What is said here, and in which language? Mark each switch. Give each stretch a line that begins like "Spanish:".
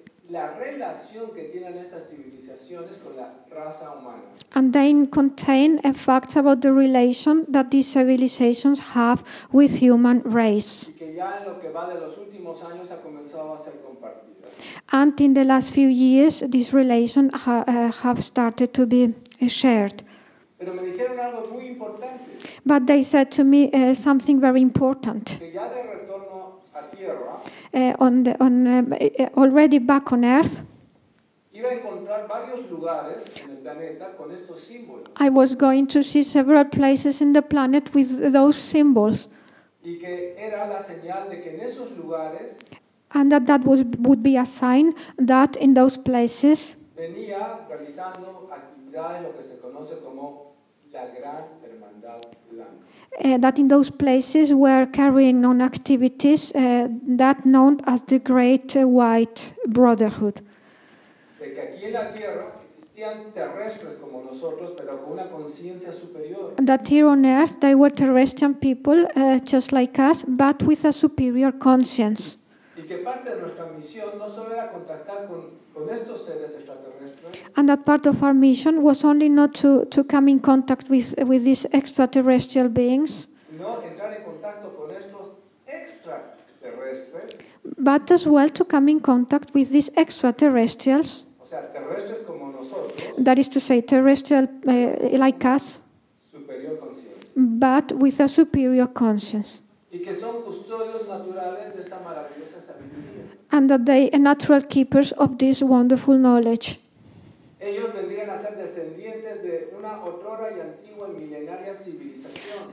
Spanish: La relación que tienen estas civilizaciones con la raza humana.
English: And they contain a fact about the relation that these civilizations have with human race.
Spanish: Y que ya en lo que va de los últimos años ha comenzado a ser compartida.
English: And in the last few years, this relation have started to be shared.
Spanish: Pero me dijeron algo muy importante.
English: But they said to me something very important.
Spanish: Que ya de retorno a tierra.
English: Already back on Earth,
Spanish: iba a encontrar varios lugares en el planeta con estos símbolos.
English: I was going to see several places in the planet with those symbols.
Spanish: Y que era la señal de que en esos lugares,
English: and that was, would be a sign that in those places,
Spanish: venía realizando actividades lo que se conoce como la Gran Hermandad Blanca.
English: That in those places were carrying on activities that known as the Great White Brotherhood.
Spanish: De que aquí en la Tierra existían terrestres como nosotros, pero con una conciencia superior.
English: That here on Earth they were terrestrial people just like us, but with a superior conscience.
Spanish: Y que parte de nuestra misión no solo era contactar con estos seres extraterrestres.
English: And that part of our mission was only not to come in contact with these extraterrestrial beings,
Spanish: no, entrar en contacto con estos extraterrestres,
English: but as well to come in contact with these extraterrestrials,
Spanish: o sea, terrestres como nosotros,
English: that is to say terrestrial like us, superior conscience, but with a superior conscience.
Spanish: Y que son custodios naturales de esta maravillosa sabiduría. And that they are natural keepers of this wonderful knowledge. Ellos vendrían a ser descendientes de una otrora y antigua milenaria civilización.